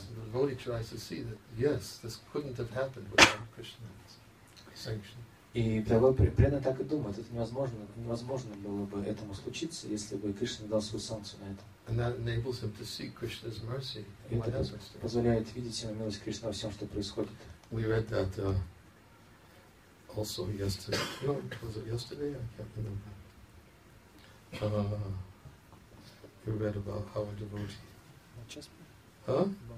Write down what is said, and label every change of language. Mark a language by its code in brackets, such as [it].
[en] So the devotee tries to see that yes, this couldn't have happened without Krishna's sanction. [ru] И преданно так и думает, это невозможно было бы этому случиться, если бы Кришна дал свою санкцию на это. [en] And that enables him to see Krishna's mercy. [ru] И это позволяет видеть его милость Кришны во всем, что происходит. [en] We read that also yesterday. No, was it yesterday? I can't remember. We read about how a devotee. Bhavachaspa.